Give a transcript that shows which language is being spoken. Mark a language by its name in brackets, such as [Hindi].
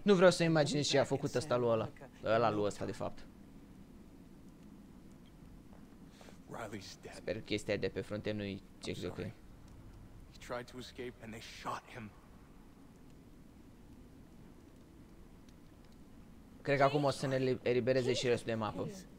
[Romanian] Nu vreau să imaginez ce a făcut ăsta lui ăla. Ăla lui ăsta de fapt. [English] Riley's dead. [Romanian] Sper că chestia de pe frunte nu-i ce joacă. [English] He tried to escape and they shot him. [Romanian] Cred că acum o să ne elibereze și restul de mapă.